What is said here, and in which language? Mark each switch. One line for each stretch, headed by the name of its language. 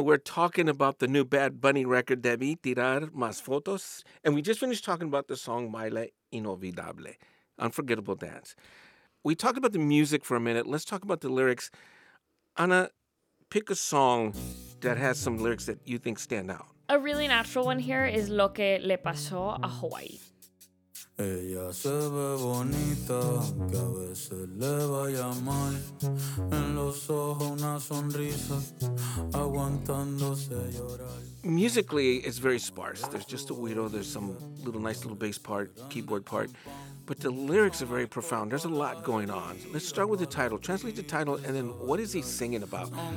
English: We're talking about the new Bad Bunny record, Debí Tirar Más Fotos, and we just finished talking about the song Baile Inolvidable, Unforgettable Dance. We talked about the music for a minute. Let's talk about the lyrics. Ana, pick a song that has some lyrics that you think stand out. A really natural one here is Lo Que Le Pasó a Hawaii.
Spanish: Ella se ve bonita, que a veces le vaya mal. En los ojos una sonrisa, aguantándose llorar.
English: Musically, it's very sparse. There's just a güiro, there's some little nice little bass part, keyboard part. But the lyrics are very profound. There's a lot going on. Let's start with the title. Translate the title, and then what is he singing about?